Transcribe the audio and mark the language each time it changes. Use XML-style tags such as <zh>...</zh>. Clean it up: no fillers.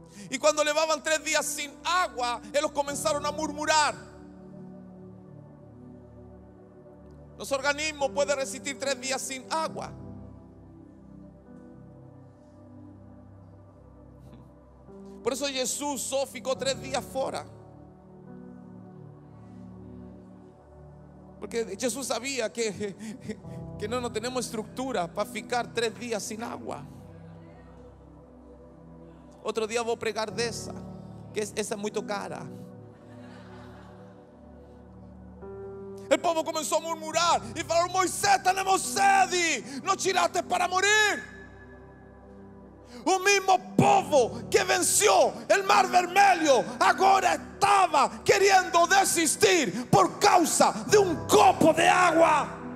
<pt>E quando levavam 3 dias sem água, eles começaram a murmurar. Nosso organismo pode resistir 3 dias sem água.</pt> <es>Por eso Jesús solo ficó 3 días fuera. Porque Jesús sabía que no tenemos estructura para ficar 3 días sin agua. Otro día voy a pregar de esa, que esa es muy cara. El pueblo comenzó a murmurar y falaron: Moisés, tenemos sed, nos tiraste para morir.</es> <pt>O mesmo povo que venceu o Mar Vermelho agora estava querendo desistir por causa de um copo de água.</pt>